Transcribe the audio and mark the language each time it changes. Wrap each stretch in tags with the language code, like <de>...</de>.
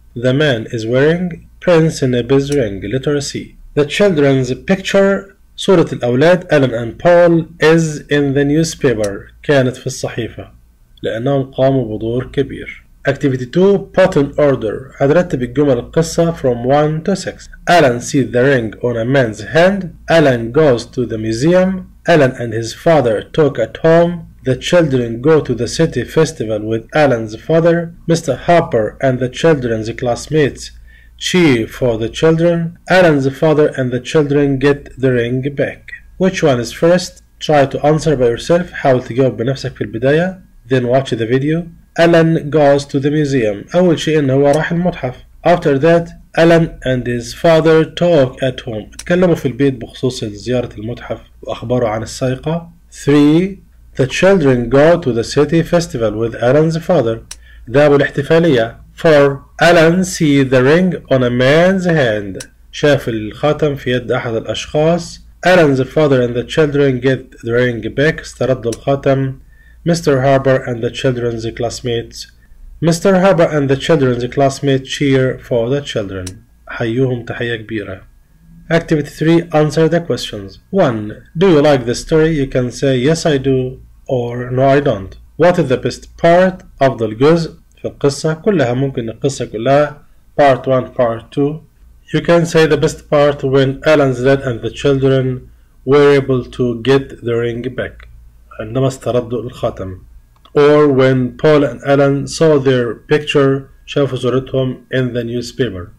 <en>The man is wearing Prince Nebbi's ring. Literacy. The children's picture.</en> <ar>صورة الأولاد</ar> <en>Alan and Paul is in the newspaper.</en> <ar>كانت في الصحيفة لأنهم قاموا بدور كبير.</ar> <en>Activity 2. Put in order.</en> <ar>هترتب الجمل القصة</ar> <en>from 1 to 6. Alan sees the ring on a man's hand. Alan goes to the museum. Alan and his father talk at home. The children go to the city festival with Alan's father. Mr. Harper and the children's classmates cheer for the children. Alan's father and the children get the ring back. Which one is first? Try to answer by yourself.</en> <ar>حاول تجاوب بنفسك في البداية.</ar> <en>Then watch the video. Alan goes to the museum.</en> <ar>أول شيء إنه هو راح المتحف.</ar> <en>After that, Alan and his father talk at home.</en> <ar>اتكلموا في البيت بخصوص زيارة المتحف وأخبروا عن السرقة.</ar> <en>3. The children go to the city festival with Alan's father.</en> <ar>ذهبوا الاحتفالية. 4.</ar> <en>Alan sees the ring on a man's hand.</en> <ar>شاف الخاتم في يد أحد الأشخاص.</ar> <en>Alan's father and the children get the ring back.</en> <ar>استردوا الخاتم.</ar> <en>Mr. Harper and the children's classmates. Mr. Harper and the children's classmates cheer for the children.</en> <ar>حيوهم تحية كبيرة.</ar> <en>Activity 3. Answer the questions. 1. Do you like the story? You can say yes I do or no I don't. What is the best part?</en> <ar>أفضل جزء في القصة كلها ممكن القصة كلها.</ar> <en>Part 1, Part 2. You can say the best part when Alan's dad and the children were able to get the ring back.</en> <ar>عندما استردوا الخاتم.</ar> <en>Or when Paul and Alan saw their picture,</en> <ar>شافوا صورتهم</ar> <en>in the newspaper.</en>